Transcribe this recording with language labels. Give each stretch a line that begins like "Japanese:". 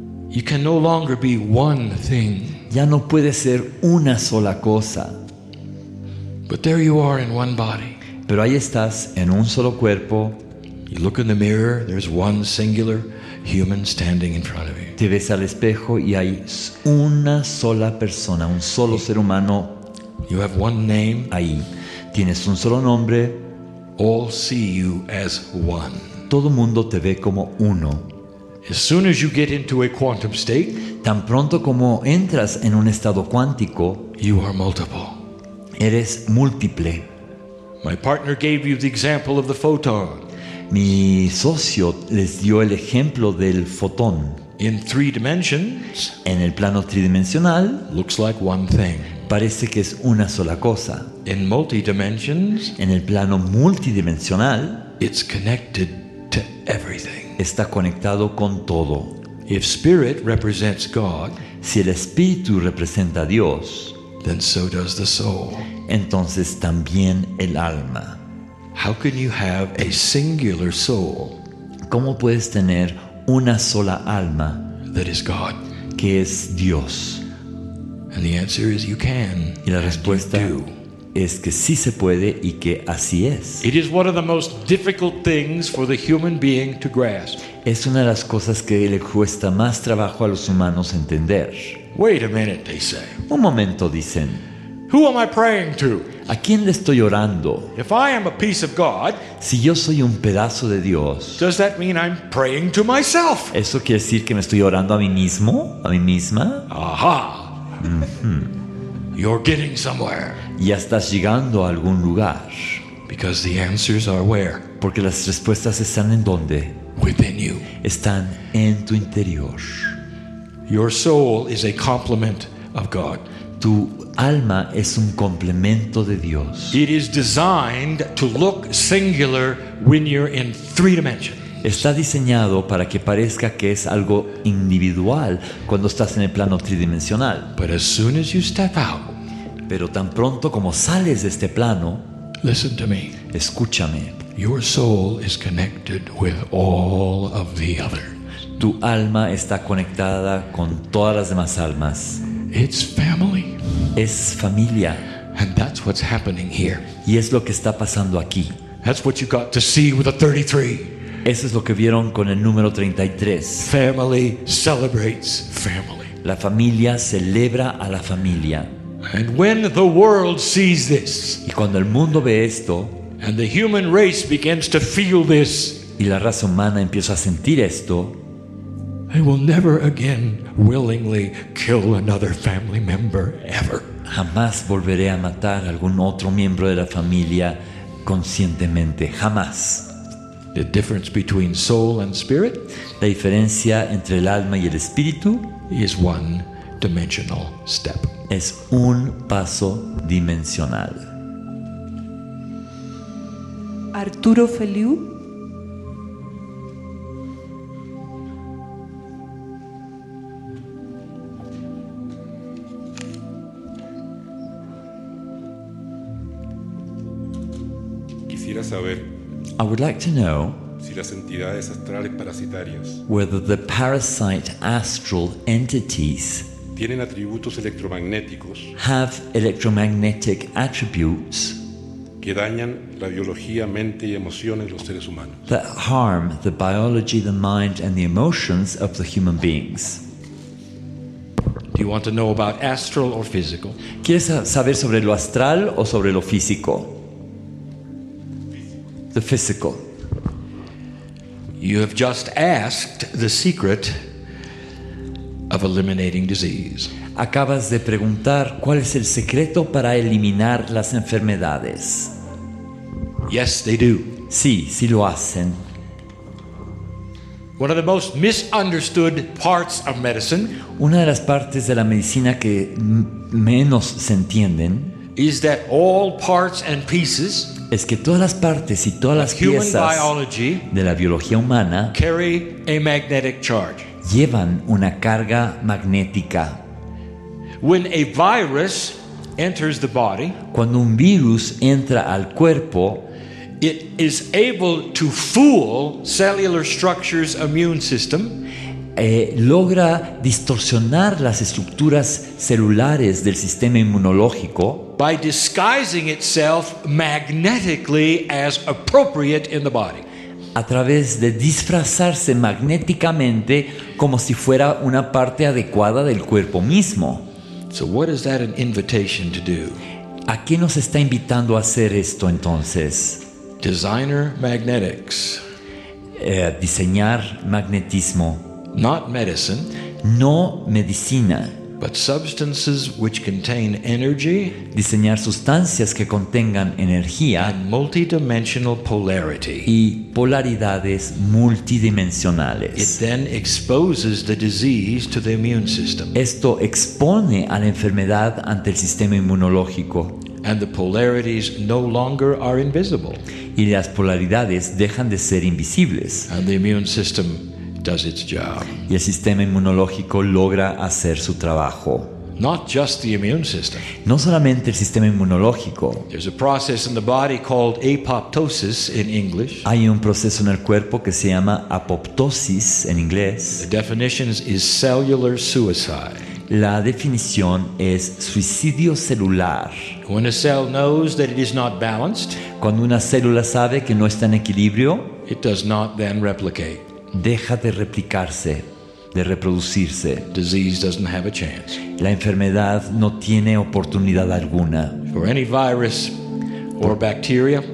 English: You can no longer be one thing.
Spanish: Ya no puedes ser una sola cosa.
English: But there you are in one body.
Spanish: Pero ahí estás en un solo cuerpo.
English: You look in the mirror, there's one singular human standing in front of you.
Spanish: Te ves al espejo y hay una sola persona, un solo ser humano.
English: You have one name.
Spanish: Ahí. Tienes un solo nombre.
English: All see you as one.
Spanish: Todo mundo te ve como uno.
English: As soon as you get into a quantum state,
Spanish: tan pronto como entras en un estado cuántico,
English: you are multiple.
Spanish: Eres múltiple.
English: My partner gave you the example of the photon.
Spanish: Mi socio les dio el ejemplo del fotón.
English: In three dimensions,
Spanish: en el plano tridimensional,
English: looks like one thing.
Spanish: Parece que es una sola cosa.
English: In multi-dimensions,
Spanish: en el plano multidimensional,
English: it's connected to everything.
Spanish: Está conectado con todo.
English: If spirit represents God,
Spanish: si el espíritu representa a Dios,
English: then so does the soul.
Spanish: Entonces también el alma.
English: How can you have a singular soul?
Spanish: ¿Cómo puedes tener una sola alma?
English: That is God.
Spanish: Que es Dios.
English: And the answer is you can.
Spanish: Y la respuesta es que sí se puede y que así es.
English: It is one of the most difficult things for the human being to grasp.
Spanish: Es una de las cosas que le cuesta más trabajo a los humanos entender.
English: Wait a minute, they say.
Spanish: Un momento, dicen.
English: Who am I praying to?
Spanish: ¿A quién le estoy orando?
English: If I am a piece of God,
Spanish: si yo soy un pedazo de Dios,
English: does that mean I'm praying to myself?
Spanish: ¿Eso quiere decir que me estoy orando a mí mismo? ¿A mí misma?
English: Aha. You're getting somewhere.
Spanish: Ya estás llegando a algún lugar.
English: Because the answers are where?
Spanish: Porque las respuestas están en dónde?
English: Within you.
Spanish: Están en tu interior.
English: Your soul is a complement of God.
Spanish: Tu alma es un complemento de Dios.
English: It is designed to look singular when you're in three dimensions.
Spanish: Está diseñado para que parezca que es algo individual cuando estás en el plano tridimensional.
English: But as soon as you step out,
Spanish: pero tan pronto como sales de este plano,
English: listen to me.
Spanish: Escúchame.
English: Your soul is connected with all of the other.
Spanish: Tu alma está conectada con todas las demás almas.
English: It's family.
Spanish: Es familia.
English: And that's what's happening here.
Spanish: Y es lo que está pasando aquí.
English: That's what you got to see with the 33.
Spanish: Eso es lo que vieron con el número 33.
English: Family celebrates family.
Spanish: La familia celebra a la familia.
English: And when the world sees this,
Spanish: y cuando el mundo ve esto,
English: and the human race begins to feel this,
Spanish: y la raza humana empieza a sentir esto,
English: they will never again willingly kill another family member ever.
Spanish: Jamás volveré a matar algún otro miembro de la familia conscientemente, jamás.
English: The difference between soul and spirit,
Spanish: la diferencia entre el alma y el espíritu,
English: is one dimensional step.
Spanish: Es un paso dimensional. Arturo Feliu. Quisiera saber,
English: I would like to know,
Spanish: si las entidades astrales parasitarias,
English: whether the parasite astral entities,
Spanish: tienen atributos electromagnéticos,
English: have electromagnetic attributes,
Spanish: que dañan la biología, mente y emociones de los seres humanos,
English: that harm the biology, the mind and the emotions of the human beings. Do you want to know about astral or physical?
Spanish: ¿Quieres saber sobre lo astral o sobre lo físico?
English: The physical. You have just asked the secret of eliminating disease.
Spanish: Acabas de preguntar cuál es el secreto para eliminar las enfermedades.
English: Yes, they do.
Spanish: Sí, sí lo hacen.
English: One of the most misunderstood parts of medicine,
Spanish: una de las partes de la medicina que menos se entienden,
English: is that all parts and pieces,
Spanish: es que todas las partes y todas las piezas de la biología humana,
English: carry a magnetic charge,
Spanish: llevan una carga magnética.
English: When a virus enters the body,
Spanish: cuando un virus entra al cuerpo,
English: it is able to fool cellular structures, immune system,
Spanish: logra distorsionar las estructuras celulares del sistema inmunológico,
English: by disguising itself magnetically as appropriate in the body,
Spanish: a través de disfrazarse magnéticamente como si fuera una parte adecuada del cuerpo mismo.
English: So what is that an invitation to do?
Spanish: ¿A qué nos está invitando a hacer esto entonces?
English: Designer magnetics.
Spanish: Diseñar magnetismo.
English: Not medicine.
Spanish: No medicina.
English: But substances which contain energy.
Spanish: Diseñar sustancias que contengan energía.
English: And multidimensional polarity.
Spanish: Y polaridades multidimensionales.
English: It then exposes the disease to the immune system.
Spanish: Esto expone a la enfermedad ante el sistema inmunológico.
English: And the polarities no longer are invisible.
Spanish: Y las polaridades dejan de ser invisibles.
English: And the immune system does its job.
Spanish: Y el sistema inmunológico logra hacer su trabajo.
English: Not just the immune system.
Spanish: No solamente el sistema inmunológico.
English: There's a process in the body called apoptosis in English.
Spanish: Hay un proceso en el cuerpo que se llama apoptosis en inglés.
English: The definition is cellular suicide.
Spanish: La definición es suicidio celular.
English: When a cell knows that it is not balanced,
Spanish: cuando una célula sabe que no está en equilibrio,
English: it does not then replicate.
Spanish: Deja de replicarse, de reproducirse.
English: Disease doesn't have a chance.
Spanish: La enfermedad no tiene oportunidad alguna.
English: For any virus or bacteria,